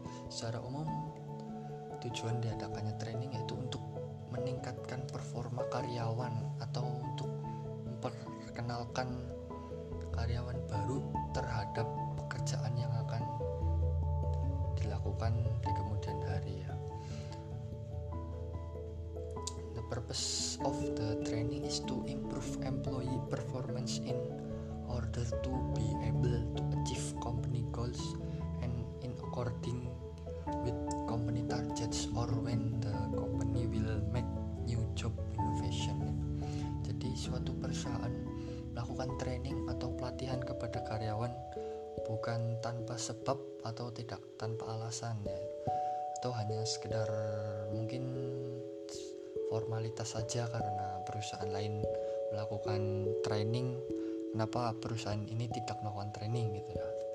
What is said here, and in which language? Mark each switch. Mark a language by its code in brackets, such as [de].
[id] Secara umum tujuan diadakannya training yaitu untuk meningkatkan performa karyawan atau untuk memperkenalkan karyawan baru terhadap pekerjaan yang akan dilakukan di kemudian hari ya. [en] The purpose of the training is to improve employee performance in order to be able to achieve company goals and in according with company targets or when the company will make new job innovation. [id] Jadi suatu perusahaan melakukan training atau pelatihan kepada karyawan bukan tanpa sebab atau tidak tanpa alasan ya, atau hanya sekedar mungkin formalitas saja karena perusahaan lain melakukan training, kenapa perusahaan ini tidak melakukan training gitu ya.